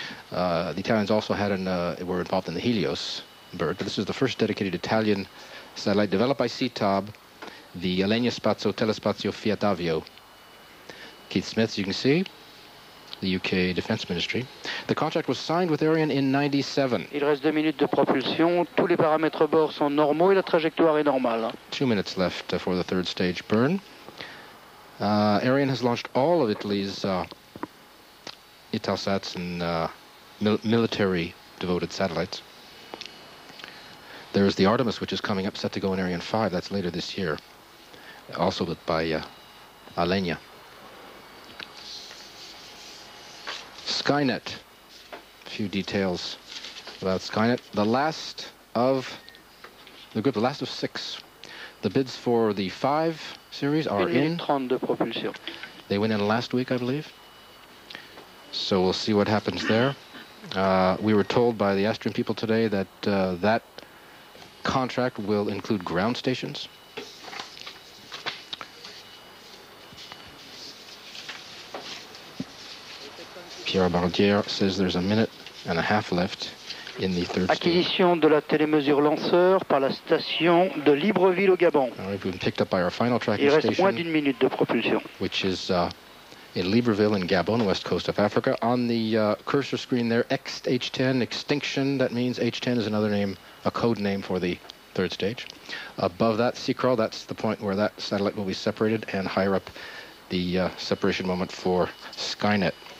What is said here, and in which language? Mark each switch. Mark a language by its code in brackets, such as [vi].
[en] The Italians also had were involved in the Helios bird, but this is the first dedicated Italian satellite developed by CTAB, the Alenia Spazio Telespazio Fiatavio. Keith Smith, as you can see, the UK Defense Ministry. The contract was signed with Ariane in 97. [fr] Il reste 2 minutes de propulsion. Tous les paramètres bord sont normaux et la trajectoire est normale. [en] 2 minutes left for the third stage burn. Ariane has launched all of Italy's Italsats and military devoted satellites. There is the Artemis, which is coming up, set to go in Ariane 5. That's later this year, also built by Alenia. Skynet. A few details about Skynet. The last of the group, the last of six. The bids for the 5 series are in. They went in last week, I believe. So we'll see what happens there. We were told by the Astrium people today that that contract will include ground stations. Pierre Bardier says there's a minute and a half left in the third. [fr] Acquisition de la télémesure lanceur par la station de Libreville au Gabon. [en] We've been picked up by our final tracking station. [fr] Il reste moins d'une minute de propulsion. [en] Which is in Libreville in Gabon, west coast of Africa. On the cursor screen there, XH10 extinction. That means H10 is another name, a code name for the third stage. Above that, Sicral, that's the point where that satellite will be separated, and higher up, the separation moment for Skynet.